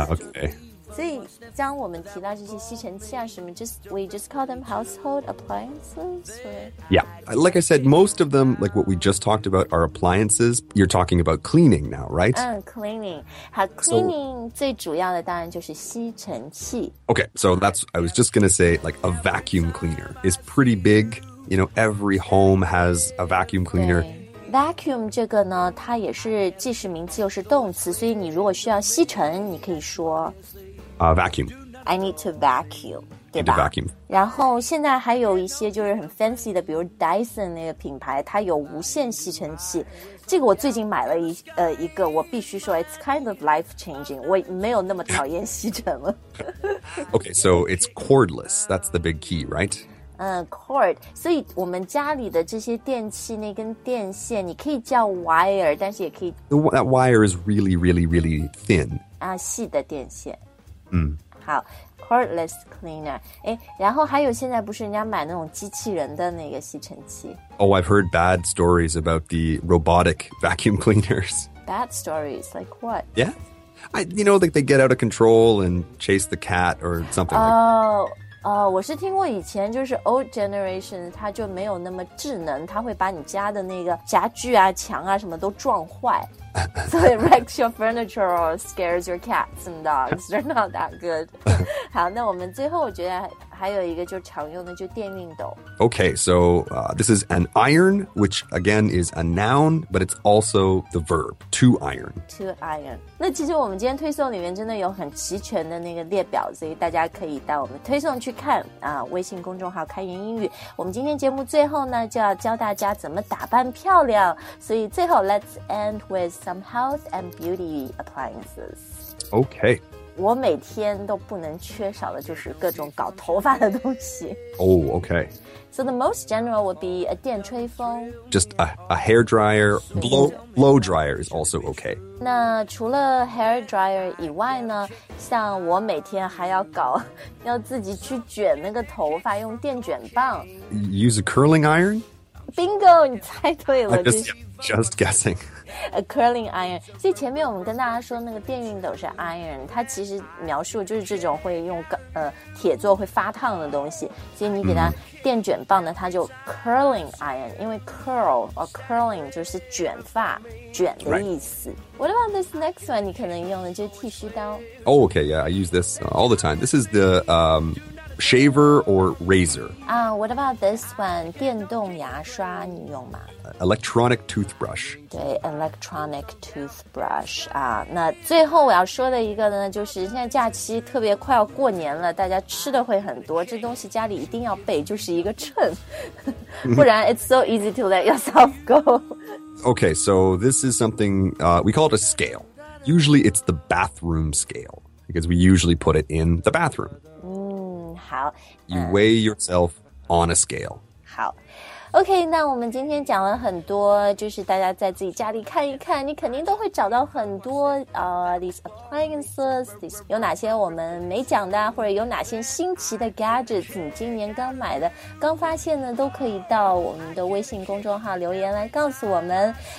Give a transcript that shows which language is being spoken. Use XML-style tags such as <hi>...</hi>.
<en>Okay.</en> <zh>所以将我们提到这些吸尘器啊什么</zh> <en>we just call them household appliances?、Or? Yeah, like I said, most of them, like what we just talked about, are appliances. You're talking about cleaning now, right? Cleaning.</en> <zh>好</zh> <en>cleaning so,</en> <zh>最主要的当然就是吸尘器。</zh> <en>Okay, so that's, I was just going to say, like a vacuum cleaner is pretty big. Every home has a vacuum cleaner.</en> <zh>Vacuum 这个呢它也是既是名词又是动词所以你如果需要吸尘你可以说、</zh> <en>Vacuum I need to vacuum</en> <zh>对吧</zh> <en>need to vacuum.</en> <zh>然后现在还有一些就是很 fancy 的比如 Dyson 那个品牌它有无线吸尘器这个我最近买了 一个我必须说</zh> <en>It's kind of life changing</en> <zh>我没有那么讨厌吸尘了</zh> <en>Okay so it's cordless That's the big key right</en> <zh>cord 所以我们家里的这些电器那根电线你可以叫 wire 但是也可以</zh> <en>That wire is really really really thin</en> <zh>啊细的电线嗯好 cordless cleaner 诶然后还有现在不是人家买那种机器人的那个吸尘器</zh> <en>Oh I've heard bad stories about the robotic vacuum cleaners Bad stories like what? Yeah they get out of control and chase the cat or something</en> <zh>Oh我是听过以前就是</zh> <en>old generation</en> <zh>它就没有那么智能它会把你家的那个家具啊墙啊什么都撞坏</zh> <en>So it wrecks your furniture or scares your cats and dogs They're not that good</en> <zh>好那我们最后我觉得还有一个就常用的就电熨斗</zh> <en>Okay so this is an iron which again is a noun but it's also the verb to iron</en> <zh>那其实我们今天推送里面真的有很齐全的那个列表所以大家可以到我们推送去看、微信公众号开言英语我们今天节目最后呢就要教大家怎么打扮漂亮所以最后</zh> <en>let's end with some health and beauty appliances Okay</en> <zh>我每天都不能缺少的就是各种搞头发的东西。</zh> <en>Oh, okay. So the most general would be a 电吹风。 Just a hair dryer. Blow dryer is also okay.</en> <zh>那除了 hair dryer 以外呢像我每天还要搞要自己去卷那个头发用电卷棒。</zh> <en>Use a curling iron?</en> <zh>Bingo, 你猜对了。</zh> <en>I just, just guessing. A curling iron.</en> <zh>所以前面我们跟大家说那个电熨斗是 iron， 它其实描述就是这种会用铁做会发烫的东西。所以你给它电卷棒呢，它就 curling iron， 因为 curl or curling 就是卷发卷的意思。</zh> <en>Right. What about this next one?</en> <zh>你可能用的就是剃须刀。</zh> <en>Oh, okay. Yeah, I use this all the time. This is the shaver or razor. What about this one?</en> <zh>电动牙刷你用吗？</zh> <en>Electronic toothbrush.</en> <zh>对</zh> <en>,electronic toothbrush.</en> <zh>那最后我要说的一个呢，就是现在假期特别快要过年了，大家吃的会很多，这东西家里一定要备，就是一个秤。不然</zh> <en>it's so easy to let yourself go. Okay, so this is something, we call it a scale. Usually it's the bathroom scale, because we usually put it in the bathroom.</en> <zh>好。</zh> <en>You weigh yourself on a scale.</en> <zh>好。 OK, 那我们今天讲了很多，就是大家在自己家里看一看，你肯定都会找到很多</zh> <en>these appliances, these,</en> <zh>有哪些我们没讲的，或者有哪些新奇的 gadgets 你今年刚买的刚发现的，都可以到我们的微信公众号留言来告诉我们。</zh>